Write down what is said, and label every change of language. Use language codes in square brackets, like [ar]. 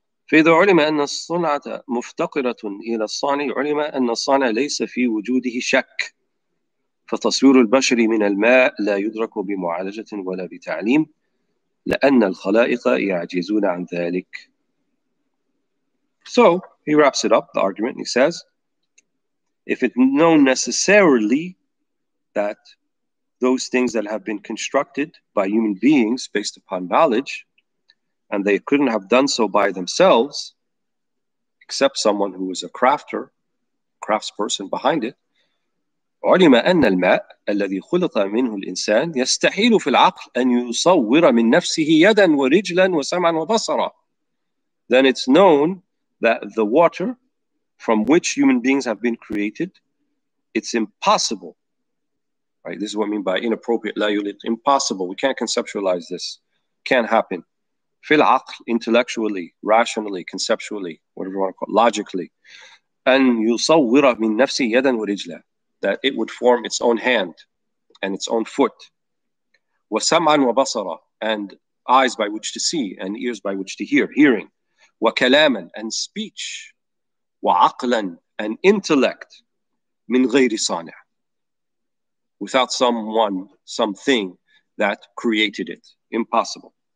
[ar] فَإِذَا عُلِمَ أَنَّ الصُّنْعَةَ مُفْتَقِرَةٌ إِلَى الصَّانِعِ عُلِمَ أَنَّ الصَّانِعَ لَيْسَ فِي وُجُودِهِ شَكٌّ فتصوير البشر من الماء لا يدرك بمعالجة ولا بتعليم لأن الخلائق يعجزون عن ذلك. [en] So he wraps it up, the argument, and he says, if it's known necessarily that those things that have been constructed by human beings based upon knowledge, and they couldn't have done so by themselves, except someone who was a crafter, craftsperson behind it. [ar] علم أن الماء الذي خلط منه الإنسان يستحيل في العقل أن يصور من نفسه يدا ورجلا وسمعا وبصرا. [en] Then it's known that the water from which human beings have been created, it's impossible. Right? This is what I mean by inappropriate, لا يلد. Impossible. We can't conceptualize this. Can't happen. [ar] في العقل, [en] intellectually, rationally, conceptually, whatever you want to call it, logically. [ar] أن يصور من نفسه يدا ورجلا. [en] That it would form its own hand and its own foot. [ar] وَسَمْعًا وَبَصَرًا [en] and eyes by which to see and ears by which to hear, hearing. وَكَلَامًا and speech. وَعَقْلًا and intellect. [ar] مِنْ غَيْرِ صَانِعًا [en] without someone, something that created it. Impossible.